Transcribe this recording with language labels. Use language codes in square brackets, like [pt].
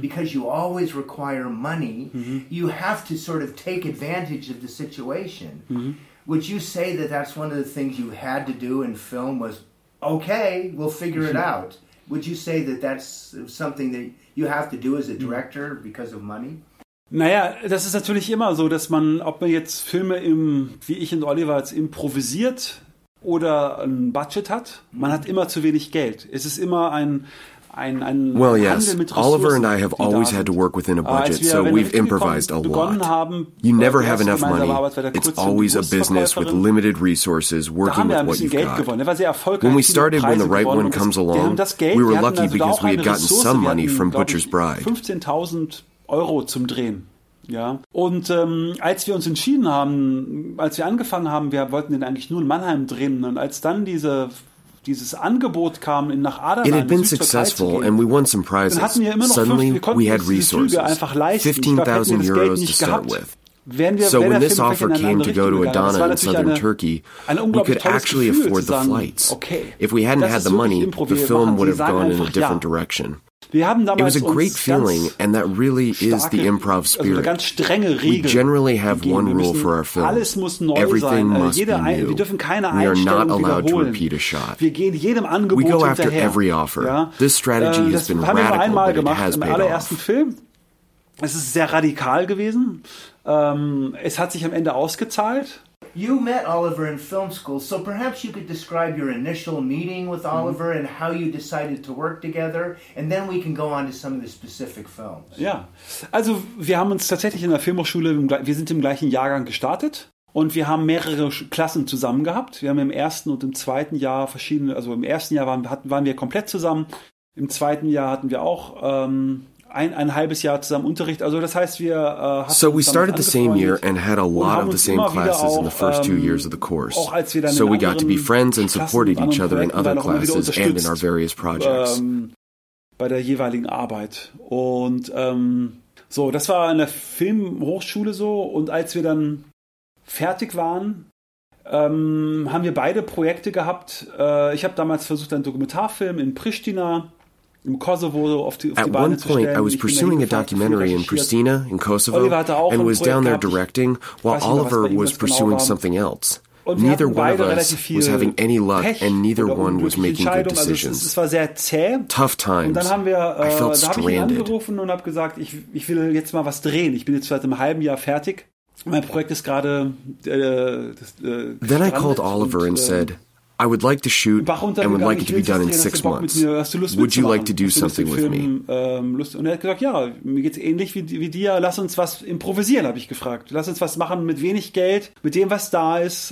[en] because you always require money, mm-hmm. you have to sort of take advantage of the situation. Mm-hmm. Would you say that that's one of the things you had to do in film was, okay, we'll figure it out? Would you say that that's something that you have to do as a director, mm-hmm. because of money? [de] Naja, das ist natürlich immer so, dass man, ob man jetzt Filme im, wie ich und Oliver, jetzt improvisiert, oder ein Budget hat, man hat immer zu wenig Geld. Es ist immer ein [en] well, yes. Oliver and I have always had to work within a budget, so we've improvised a lot. You never have enough money. It's always a business with limited resources working with what you've got. When we started, when the right one comes along, we were lucky because we had gotten some money from Butcher's Bride. [de] 15.000 Euro zum Drehen. Ja, und als wir uns entschieden haben, als wir angefangen haben, wir wollten den eigentlich nur in Mannheim drehen, und als dann dieses Angebot kam, in nach Adana, [en] it had been successful and we won some prizes. [de] Dann hatten wir immer noch [en] suddenly we had resources. 15,000 euros to start with. So when this offer came to go to Adana in southern Turkey, we could actually afford the flights. Okay. If we hadn't had the money, the film would have gone in a different direction. It was a great feeling, and that really is the improv spirit. We generally have one rule for our films. Everything must be new. We are not allowed to repeat a shot. We go after every offer. This strategy has been radical, but it has paid off. [de] Es ist sehr radikal gewesen. Es hat sich am Ende ausgezahlt. [en] You met Oliver in film school, so perhaps you could describe your initial meeting with Oliver, mm-hmm. and how you decided to work together, and then we can go on to some of the specific films. [de] Ja, also wir haben uns tatsächlich in der Filmhochschule, wir sind im gleichen Jahrgang gestartet und wir haben mehrere Klassen zusammen gehabt. Wir haben im ersten und im zweiten Jahr verschiedene, also im ersten Jahr waren wir komplett zusammen, im zweiten Jahr hatten wir auch ein halbes Jahr zusammen Unterricht. Also das heißt, wir [en] so we started the same year and had a lot of the same classes in the first 2 years of the course. So we got to be friends and supported each other in other classes and in our various projects. [de] Bei der jeweiligen Arbeit. Und so, das war in der Filmhochschule so. Und als wir dann fertig waren, haben wir beide Projekte gehabt. Ich habe damals versucht, einen Dokumentarfilm in Pristina. [en] At one point, I was pursuing a documentary in Pristina, in Kosovo, and was down there directing, while Oliver was pursuing something else. Neither one of us was having any luck, and neither one was making good decisions. Tough times. I felt stranded. [de] Und habe gesagt, ich will jetzt mal was drehen. Ich bin jetzt seit einem halben Jahr fertig. Mein Projekt ist gerade. [en] Then I called Oliver and said, I would like to shoot and would like it to be done in 6 months. Would you like to do something with me? [de] Und er hat gesagt, ja, mir geht's ähnlich wie dir. Lass uns was improvisieren, habe ich gefragt. Lass uns was machen mit wenig Geld, mit dem, was da ist.